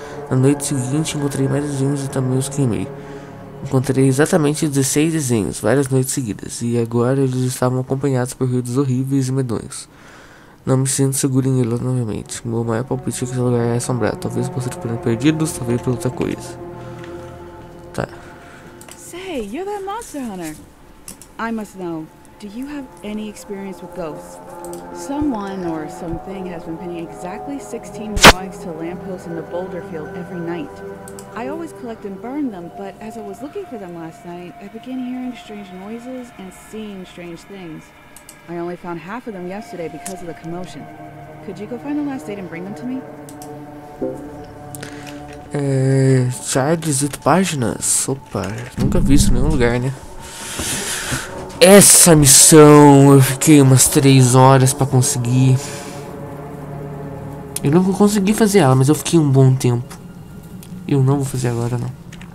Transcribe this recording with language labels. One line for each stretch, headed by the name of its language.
Portuguese: Na noite seguinte, encontrei mais desenhos e também os queimei. Encontrei exatamente 16 desenhos, várias noites seguidas, e agora eles estavam acompanhados por ruídos horríveis e medonhos. Não me sinto seguro em ir lá novamente. Meu maior palpite é que esse lugar é assombrado. Talvez possa ter perdidos, talvez por outra coisa. Tá.
English: Say, you're that monster hunter. I must know. Do you have any experience with ghosts? Someone or something has been pinning exactly 16 drawings to lampposts in the boulder field every night. I always collect and burn them, but as I was looking for them last night, I began hearing strange noises and seeing strange things. I only found half of them yesterday because of the commotion. Could you go find the last eight and bring them to me?
Portuguese: Charges 8 páginas? Opa, nunca vi isso em nenhum lugar, né? Essa missão eu fiquei umas 3 horas pra conseguir. Eu nunca consegui fazer ela, mas eu fiquei um bom tempo. Eu não vou fazer agora, não.